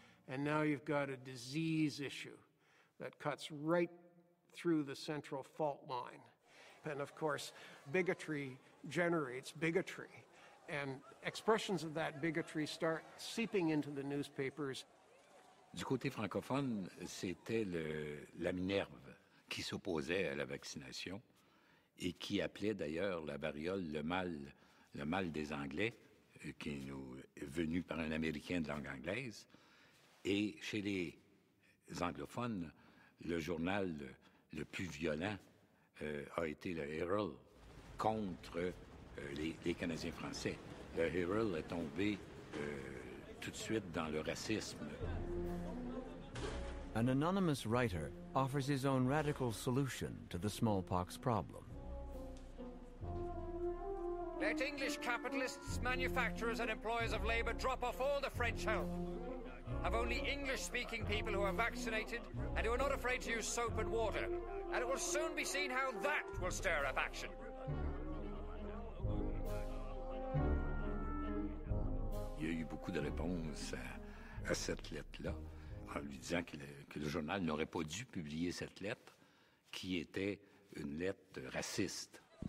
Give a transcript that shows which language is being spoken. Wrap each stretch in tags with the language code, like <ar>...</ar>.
<en>And now you've got a disease issue that cuts right through the central fault line. And of course, bigotry generates bigotry. And expressions of that bigotry start seeping into the newspapers.</en> <fr>Du côté francophone, c'était la Minerve qui s'opposait à la vaccination et qui appelait d'ailleurs la variole le mal des Anglais, qui est venu par un Américain de langue anglaise. Et chez les anglophones, le journal le plus violent a été le Herald contre les Canadiens français. Le Herald est tombé tout de suite dans le racisme.</fr> <en>An anonymous writer offers his own radical solution to the smallpox problem. Let English capitalists, manufacturers and employers of labor drop off all the French help. Have only English-speaking people who are vaccinated and who are not afraid to use soap and water. And it will soon be seen how that will stir up action.</en> <fr>Il y a eu beaucoup de réponses à cette lettre-là, en lui disant que le journal n'aurait pas dû publier cette lettre, qui était une lettre raciste.</fr>